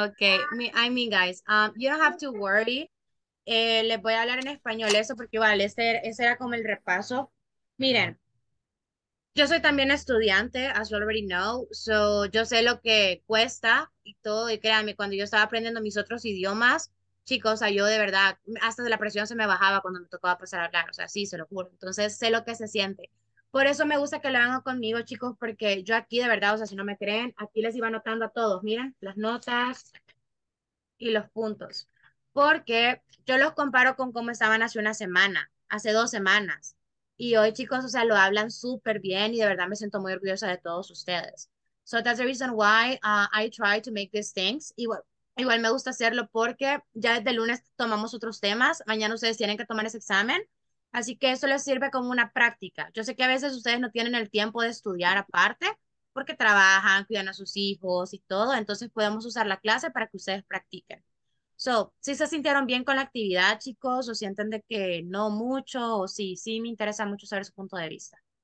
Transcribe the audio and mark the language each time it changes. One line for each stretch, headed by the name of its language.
English: Okay, I mean, guys, you don't have to worry.
Spanish: Les voy a hablar en español eso porque igual, ese era como el repaso. Miren. Yo soy también estudiante,
English: as you already know,
Spanish: so yo sé lo que cuesta y todo, y créanme, cuando yo estaba aprendiendo mis otros idiomas, chicos, o sea, yo de verdad, hasta la presión se me bajaba cuando me tocaba pasar a hablar, o sea, sí, se lo juro, entonces sé lo que se siente. Por eso me gusta que lo hagan conmigo, chicos, porque yo aquí de verdad, o sea, si no me creen, aquí les iba anotando a todos, miren, las notas y los puntos, porque yo los comparo con cómo estaban hace una semana, hace dos semanas. Y hoy, chicos, o sea, lo hablan súper bien y de verdad me siento muy orgullosa de todos ustedes.
English: So that's the reason why I try to make these things.
Spanish: Igual me gusta hacerlo porque ya desde el lunes tomamos otros temas. Mañana ustedes tienen que tomar ese examen. Así que eso les sirve como una práctica. Yo sé que a veces ustedes no tienen el tiempo de estudiar aparte porque trabajan, cuidan a sus hijos y todo. Entonces podemos usar la clase para que ustedes practiquen. So, si ¿sí se sintieron bien con la actividad, chicos, o sienten de que no mucho, o sí, sí me interesa mucho saber su punto de vista?